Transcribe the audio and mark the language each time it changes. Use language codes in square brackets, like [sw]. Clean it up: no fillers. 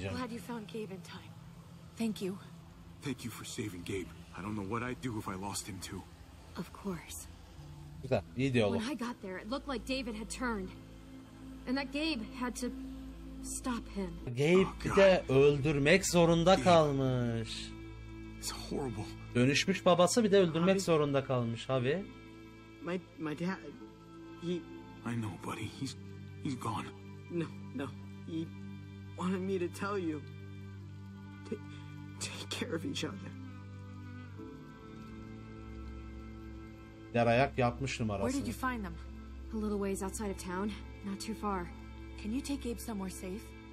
[en] I'm just glad you found Gabe in time. Thank you. Thank you for saving Gabe. I don't know what I'd do if I lost him too. Of course. [tr] Güzel, iyi diyorlar. [en] When I got there, it looked like David had turned. And that Gabe had to stop him. [tr] Gabe bir de öldürmek zorunda kalmış. [en] It's horrible. [tr] Dönüşmüş babası bir de öldürmek zorunda kalmış abi. [en] My dad, he... I know, buddy. He's gone. No, no. He wanted me to tell you. Take care of each other. [tr] Derayak yapmış numarasını. [en] Where did you find them? A little ways outside of town. Not too far. Can you take Gabe somewhere safe?